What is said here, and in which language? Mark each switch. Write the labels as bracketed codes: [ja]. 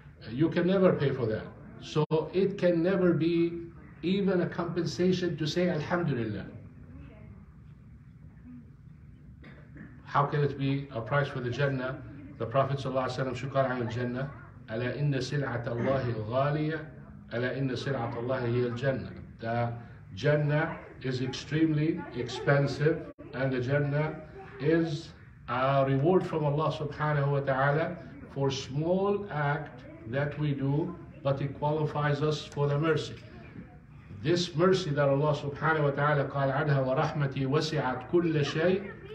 [en] You can never pay for that. So it can never be even a compensation to say Alhamdulillah. How can it be a price for the Jannah? The Prophet ﷺ shukar [ar] عن الجنة. ألا إن سلعة الله غالية. ألا إن سلعة الله هي الجنة. [en] The Jannah is extremely expensive, and the Jannah is a reward from Allah subhanahu wa ta'ala for small act that we do, but it qualifies us for the mercy. This mercy that Allah subhanahu wa ta'ala [ar] قال عنها ورحمتي وسعت كل شيء.